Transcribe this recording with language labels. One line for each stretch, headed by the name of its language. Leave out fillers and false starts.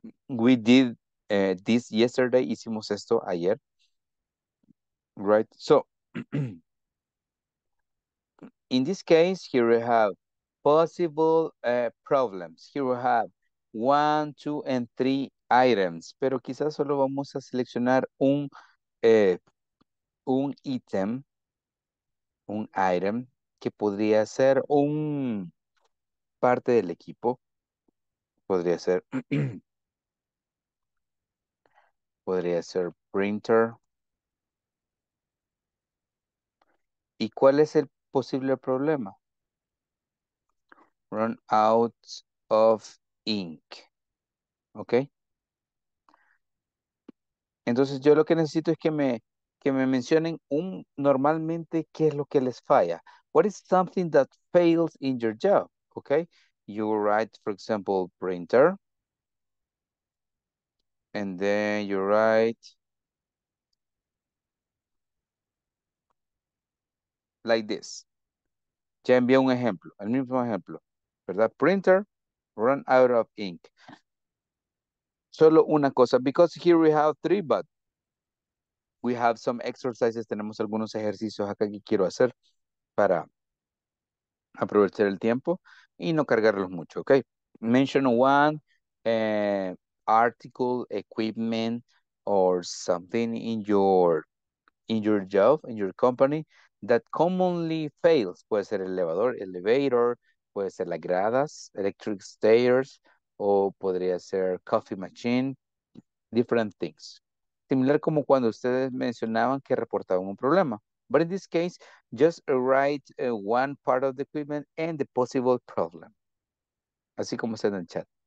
English: We did this yesterday, hicimos esto ayer. Right? So, in this case, here we have possible problems. Here we have one, two, and three items.
Spanish: Pero quizás solo vamos a seleccionar un ítem. Un item que podría ser un parte del equipo. Podría ser. Podría ser printer. ¿Y cuál es el posible problema? Run out of ink. ¿Ok? Entonces yo lo que necesito es que me mencionen normalmente qué es lo que les falla.
English: What is something that fails in your job? Okay. You write, for example, printer. And then you write like this.
Spanish: Ya envía un ejemplo, el mismo ejemplo, ¿verdad? Printer, run out of ink. Solo una cosa, because here we have three, but we have some exercises, tenemos algunos ejercicios acá que quiero hacer para aprovechar el tiempo y no cargarlos mucho, ¿ok?
English: Mention one article, equipment, or something in your job, in your company, that commonly fails.
Spanish: Puede ser el elevador, elevator, puede ser las gradas, electric stairs, o podría ser coffee machine, different things. Similar como cuando ustedes mencionaban que reportaban un problema.
English: But in this case, just write one part of the equipment and the possible problem. Así como está en el chat.